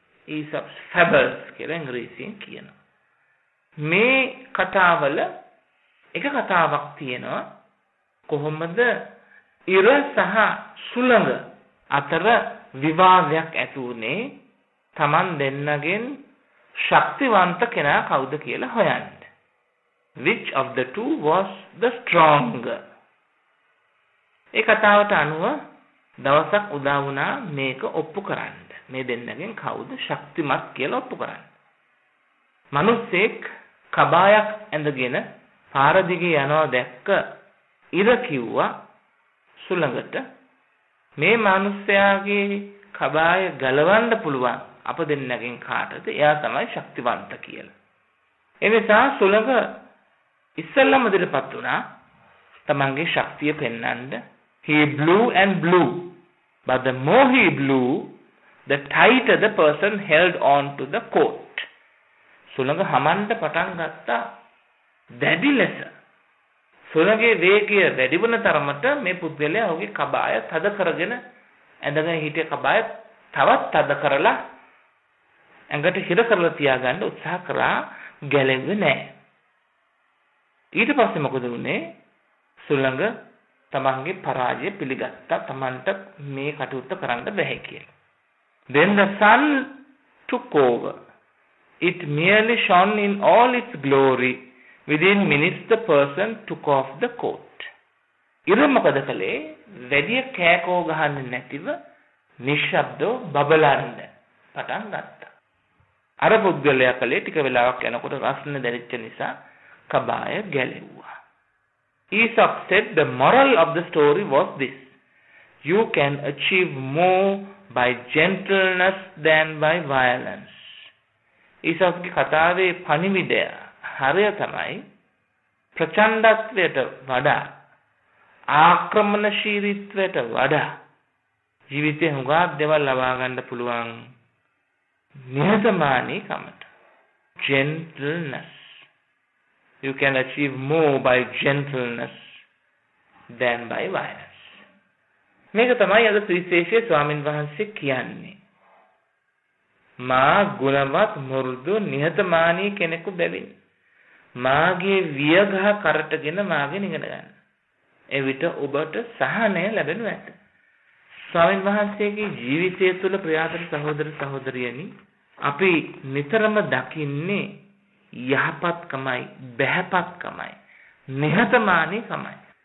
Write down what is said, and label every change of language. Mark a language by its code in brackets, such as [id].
[si] ඊසොප්ස් ෆැබල්ස් කියලා ඉංග්‍රීසියෙන් කියනවා. මේ කතාවල එක කතාවක් තියෙනවා, කොහොමද ඉර සහ සුළඟ අතර විවාදයක් ඇති වුනේ, තමන් දෙන්නගෙන් ශක්තිවන්ත කෙනා කවුද කියලා හොයන්න. [en] Which of the two was the stronger? [si] ඒ කතාවට අනුව දවසක් උදා වුණා මේක ඔප්පු කරන්න. මේ දෙන්නගෙන් කවුද ශක්තිමත් කියලා ඔප්පු කරන්න. මිනිස්සෙක් කබායක් ඇඳගෙන පාර දිගේ යනවා දැක්ක ඉර කිව්වා සුළඟට, මේ මිනිස්යාගේ කබාය ගලවන්න පුළුවන් අප දෙන්නගෙන් කාටද, එයා තමයි ශක්තිවන්ත කියලා. එනිසා සුළඟ ඉස්සල්ලම ඉදිරිපත් වුණා තමන්ගේ ශක්තිය පෙන්වන්න. [en] He blew and blew, but the more he blew, the tighter the person held on to the coat. [si] සුළඟ හමන්න පටන් ගත්තා දැඩි ලෙස. සුළඟේ වේගය වැඩි වුණ තරමට මේ පුද්ගලයා ඔහුගේ කබාය තද කරගෙන ඇඳගෙන හිටිය කබාය තවත් තද කරලා ඇඟට හිර කරලා තියාගන්න උත්සාහ කරා, ගැලෙන්නේ නැහැ. ඊට පස්සේ මොකද වුනේ? සුළඟ තමන්ගේ පරාජය පිළිගත්තා, තමන්ට මේ කටයුත්ත කරන්න බැහැ කියලා. [en] Then the sun took over. It merely shone in all its glory. Within minutes, the person took off the coat. [si] ඉර මොකද කළේ? වැඩිය කෑකෝ ගහන්නේ නැතිව නිශ්ශබ්දව බබලන්න පටන් ගත්තා. අර පුද්ගලයා කළේ ටික වෙලාවක් යනකොට රස්න දැරිච්ච නිසා කබාය ගැලෙව්වා. [en] Aesop said the moral of the story was this: you can achieve more by gentleness than by violence. [si] Aesop's කතාවේ පණිවිඩය හරය තමයි ප්‍රචණ්ඩත්වයට වඩා ආක්‍රමණශීලීත්වයට වඩා ජීවිතේ හුඟක් දේවල් ලබා ගන්න පුළුවන් නිහතමානීකමට. [en] gentleness. You can achieve more by gentleness than by violence. [si] මේක තමයි අද ත්‍රිශේෂයේ ස්වාමින් වහන්සේ කියන්නේ. මා ගුණවත් මෘදු නිහතමානී කෙනෙකු බැවින් මාගේ වියගහ කරටගෙන මාගෙන් ඉගෙන ගන්න. එවිට ඔබට සහනය ලැබෙනු ඇත. ස්වාමීන් වහන්සේගේ ජීවිතය තුළ ප්‍රයාත සහෝදර සහෝදරියනි, අපි නිතරම දකින්නේ යහපත්කමයි, බැහැපත්කමයි, නිහතමානීකමයි.